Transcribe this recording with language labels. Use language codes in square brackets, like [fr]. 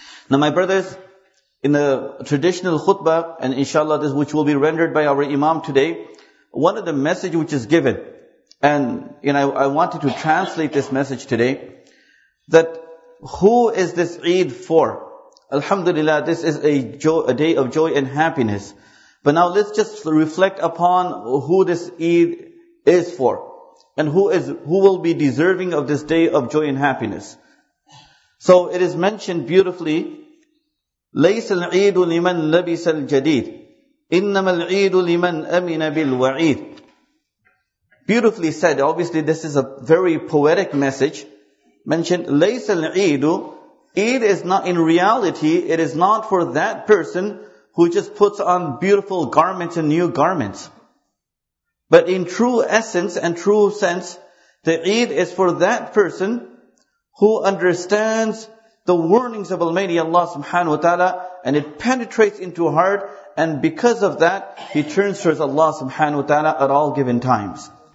[en] Now my brothers, in the traditional khutbah, and inshallah this which will be rendered by our imam today, one of the message which is given, and you know, I wanted to translate this message today, that who is this Eid for? Alhamdulillah, this is a day of joy and happiness. But now let's just reflect upon who this Eid is for, and who will be deserving of this day of joy and happiness. So it is mentioned beautifully, [ar] لَيْسَ الْعِيدُ لِمَنْ لَبِسَ الْجَدِيدُ إِنَّمَا الْعِيدُ لِمَنْ أَمِنَ بِالْوَعِيدُ. [en] Beautifully said. Obviously, this is a very poetic message. Mentioned, [ar] لَيْسَ الْعِيدُ. [en] Eid is not, in reality, it is not for that person who just puts on beautiful garments and new garments. But in true essence and true sense, the Eid is for that person who understands the warnings of Almighty Allah subhanahu wa ta'ala, and it penetrates into heart, and because of that, he turns towards Allah subhanahu wa ta'ala at all given times.